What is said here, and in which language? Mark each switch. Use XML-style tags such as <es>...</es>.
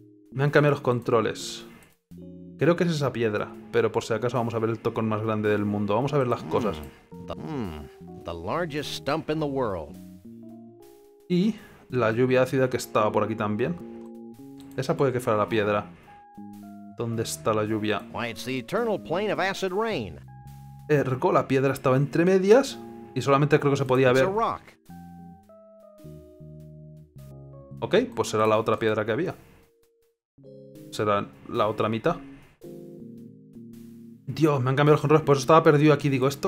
<es>Me han cambiado los controles. Creo que es esa piedra, pero por si acaso vamos a ver el tocón más grande del mundo. Vamos a ver las cosas.</es> <en>The largest stump in the world.</en> <es>Y la lluvia ácida que estaba por aquí también. Esa puede que fuera la piedra. ¿Dónde está la lluvia?</es> <en>Why, it's the eternal plain of acid rain.</en> <es>Ergo, la piedra estaba entre medias y solamente creo que se podía ver.</es> <en>It's a rock.</en> <es>Ok, pues será la otra piedra que había. Será la otra mitad. Dios, me han cambiado los controles, por eso estaba perdido aquí, digo esto.</es>